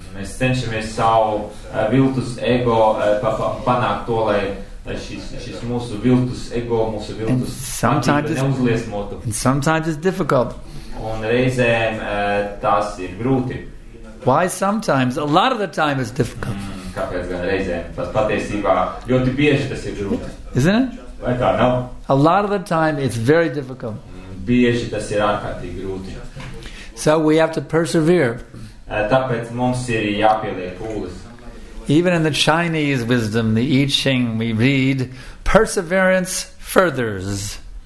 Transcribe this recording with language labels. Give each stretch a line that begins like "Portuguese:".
Latvian: Mēs cenšamies savu viltus ego panākt to, lai šis mūsu viltus ego, mūsu viltus
English: sometimes
Latvian: mātība neuzliesmotu.
English: Sometimes it's difficult.
Latvian: Un reizēm tas ir grūti.
English: Why sometimes? A lot of the time it's difficult.
Latvian: Kāpēc gan reizēm? Tas patiesībā ļoti bieži tas ir grūti.
English: Isn't it?
Latvian: Vai tā nav?
English: A lot of the time it's very difficult.
Latvian: Bieži tas ir ārkārtīgi grūti.
English: So we have to persevere.
Latvian: Tāpēc mums ir jāpieliek pūles.
English: Even in the Chinese wisdom, the I Ching, we read, perseverance furthers.